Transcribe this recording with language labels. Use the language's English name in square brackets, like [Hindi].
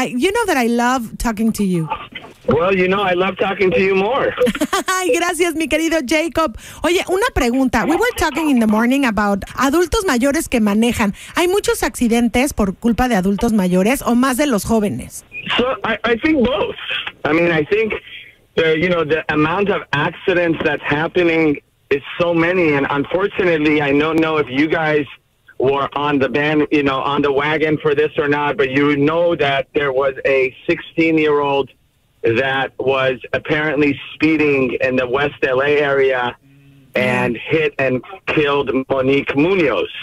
[English] You know that I love talking to you. Well, you know, I love talking to you more. [Spanish] Ay, gracias, mi querido Jacob. Oye, una pregunta. [English] We were talking in the morning about [Spanish] adultos mayores que manejan. ¿Hay muchos accidentes por culpa de adultos mayores o más de los jóvenes? [English] So, I think both. I mean, I think, the amount of accidents that's happening is so many. And unfortunately, I don't know if you guys were on the band, on the wagon for this or not, but you know that there was a 16-year-old that was apparently speeding in the West LA area and hit and killed Monique Munoz.